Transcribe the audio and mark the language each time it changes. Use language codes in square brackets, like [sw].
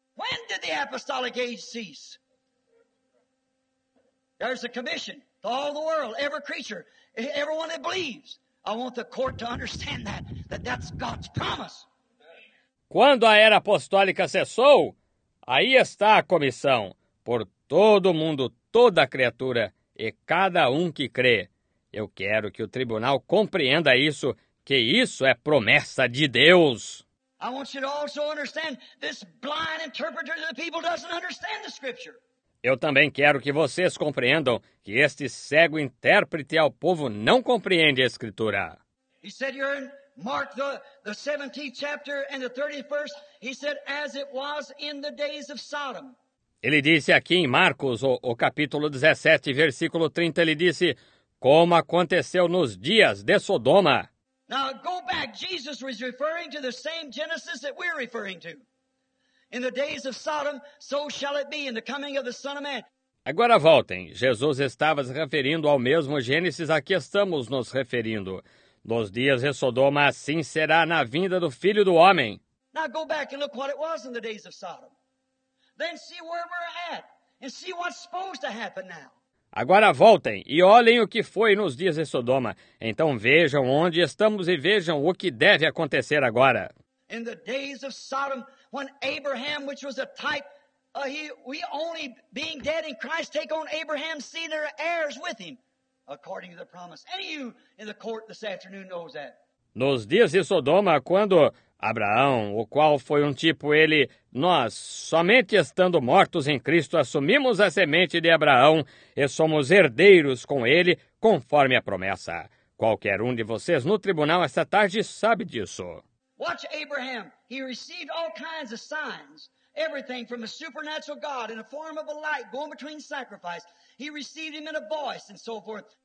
[en] When did the apostolic age cease? There's a commission. To all the world, every creature, everyone that believes. I want the court to understand that's God's promise. [pt] Quando a era apostólica cessou, aí está a comissão. Por todo mundo, toda criatura e cada um que crê. Eu quero que o tribunal compreenda isso, que isso é promessa de Deus. [en] I want you to also understand this blind interpreter to the people doesn't understand the scripture. [pt] Eu também quero que vocês compreendam que este cego intérprete ao povo não compreende a Escritura. [en] He said you're in Mark the 17th chapter and the 31st. He said as it was in the days of Sodom. [pt] Ele disse aqui em Marcos o capítulo 17, versículo 30, ele disse como aconteceu nos dias de Sodoma. [en] Now go back. Jesus was referring to the same Genesis that we're referring to. In the days of Sodom, so shall it be in the coming of the Son of Man. [pt] Agora voltem. Jesus estava se referindo ao mesmo Gênesis a que estamos nos referindo. Nos dias de Sodoma, assim será na vinda do Filho do Homem. [en] Now go back and look what it was in the days of Sodom. Then see where we're at and see what's supposed to happen now. [pt] Agora voltem e olhem o que foi nos dias de Sodoma. Então vejam onde estamos e vejam o que deve acontecer agora. [en] In the days of Sodom, when Abraham, which was a type, we only being dead in Christ, take on Abraham's seed and their heirs with him, according to the promise. Any of you in the court this afternoon knows that. [pt] Nos dias de Sodoma, quando Abraão, o qual foi um tipo, ele, nós, somente estando mortos em Cristo, assumimos a semente de Abraão e somos herdeiros com ele, conforme a promessa. Qualquer um de vocês no tribunal esta tarde sabe disso. [en] Watch Abraham. He received all kinds of signs. Everything from a supernatural God in a form of a light going between sacrifice. He received him in a voice and so forth.